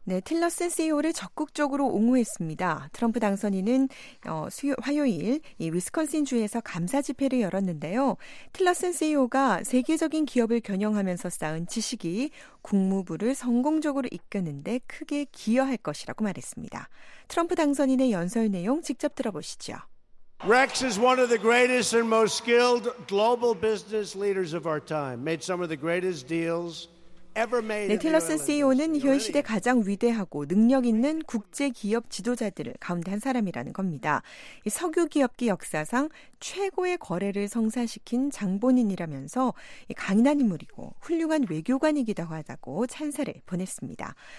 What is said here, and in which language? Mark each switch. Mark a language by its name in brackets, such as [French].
[Korean] 네, 틸러슨 CEO를 적극적으로 옹호했습니다. 트럼프 당선인은 화요일 이 위스콘신주에서 감사 집회를 열었는데요. 틸러슨 CEO가 세계적인 기업을 경영하면서 쌓은 지식이 국무부를 성공적으로 이끄는 데 크게 기여할 것이라고 말했습니다. 트럼프 당선인의 연설 내용 직접 들어보시죠. [English] Rex is one of the greatest and most skilled global business leaders of our time. Made some of the greatest deals. [Korean] 네, 틸러슨 CEO는 현 시대 가장 위대하고 능력 있는 국제 기업 지도자들 가운데 한 사람이라는 겁니다. 이 석유 기업기 역사상 최고의 거래를 성사시킨 장본인이라면서 강인한 인물이고 훌륭한 외교관이기도 하다고 찬사를 보냈습니다.